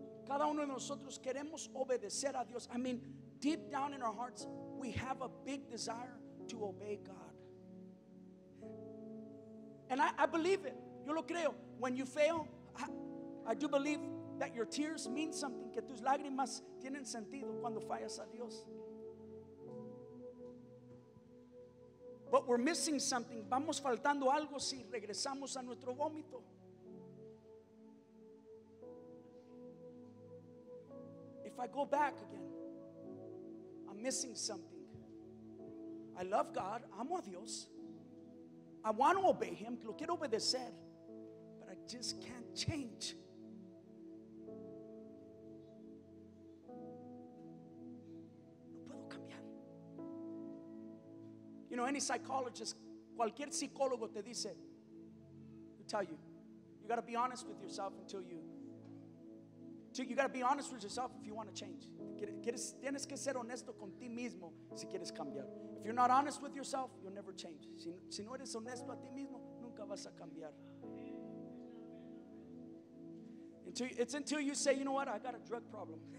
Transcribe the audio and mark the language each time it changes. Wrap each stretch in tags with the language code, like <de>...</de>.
<es>Cada uno de nosotros queremos obedecer a Dios.</es> <en>I mean, deep down in our hearts, we have a big desire to obey God. And I believe it.</en> <es>Yo lo creo.</es> <en>When you fail, I do believe that your tears mean something.</en> <es>Que tus lágrimas tienen sentido cuando fallas a Dios.</es> <en>But we're missing something.</en> <es>Vamos faltando algo si regresamos a nuestro vómito.</es> <en>If I go back again, I'm missing something. I love God.</en> <es>Amo a Dios.</es> <en>I want to obey Him.</en> <es>Lo quiero obedecer.</es> <en>But I just can't change.</en> <es>No puedo cambiar.</es> <en>You know, any psychologist,</en> <es>cualquier psicólogo te dice,</es> <en>he'll tell you, you got to be honest with yourself until you. You got to be honest with yourself if you want to change.</en> <es>Tienes que ser honesto con ti mismo si quieres cambiar.</es> <en>If you're not honest with yourself, you'll never change.</en> <es>Si no eres honesto a ti mismo, nunca vas a cambiar.</es> <en>It's until you say, you know what, I got a drug problem.</en>